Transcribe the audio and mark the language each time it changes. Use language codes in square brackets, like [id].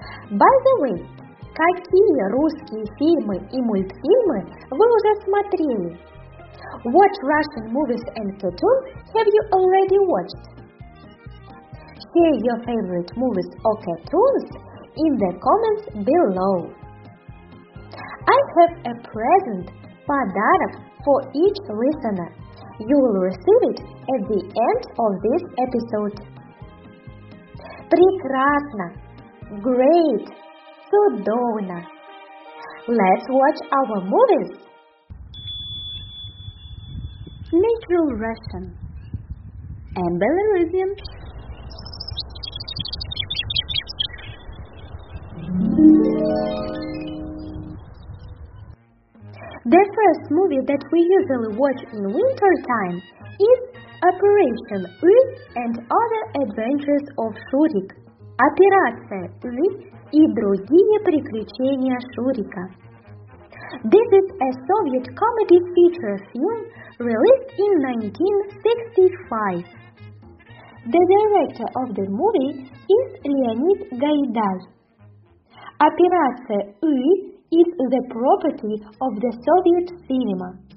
[en] By the way, [ru] какие русские фильмы и мультфильмы вы уже смотрели? [en] What Russian movies and cartoons have you already watched? Share your favorite movies or cartoons in the comments below. I have a present, подарок, for each listener. You will receive it at the end of this episode. [ru] Прекрасно! [en] Great! [ru] Чудовно! [en] Let's watch our movies! Natural Russian and Belarusian. The first movie that we usually watch in winter time is Operation U and Other Adventures of Shurik. [ru] Операция У и другие приключения Шурика. [en] This is a Soviet comedy feature film released in 1965. The director of the movie is Леонид Гайдай. Операция У is the property of the Soviet cinema.